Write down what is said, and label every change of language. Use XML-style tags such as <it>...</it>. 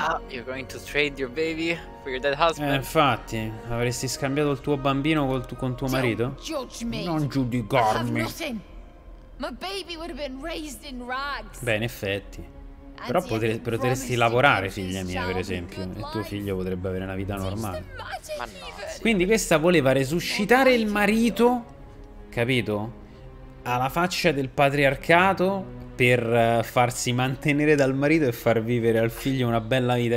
<en>You're going to trade your baby for your dead husband.</en> <it>Infatti, avresti scambiato il tuo bambino con tuo marito? Non giudicarmi.</it> <en>My baby would have been raised in rags.</en> <it>Beh, in effetti. Però potresti lavorare, figlia mia, per esempio. E tuo figlio potrebbe avere una vita normale. Ma no, sì. Quindi questa voleva resuscitare il marito, capito? Alla faccia del patriarcato, per farsi mantenere dal marito e far vivere al figlio una bella vita.</it>